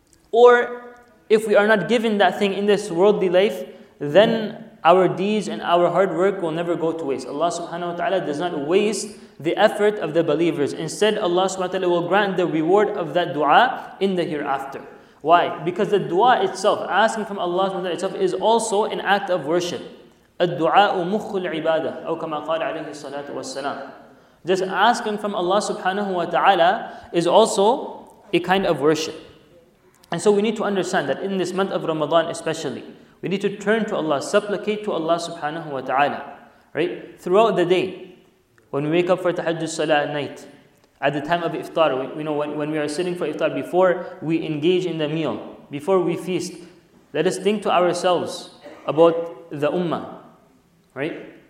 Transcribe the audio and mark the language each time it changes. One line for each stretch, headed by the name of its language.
English: Or if we are not given that thing in this worldly life, then our deeds and our hard work will never go to waste. Allah subhanahu wa ta'ala does not waste the effort of the believers. Instead, Allah subhanahu wa ta'ala will grant the reward of that dua in the hereafter. Why? Because the dua itself, asking from Allah subhanahu wa ta'ala itself, is also an act of worship.
Arabic: الدُعَاءُ مُخُّ الْعِبَادَةِ أو كما قال عليه الصلاة والسلام.
English: Just asking from Allah subhanahu wa ta'ala is also a kind of worship. And so we need to understand that in this month of Ramadan especially, we need to turn to Allah, supplicate to Allah subhanahu wa ta'ala. Right? Throughout the day, when we wake up for tahajjud salah at night, at the time of iftar, when we are sitting for iftar, before we engage in the meal, before we feast, let us think to ourselves about the ummah, right?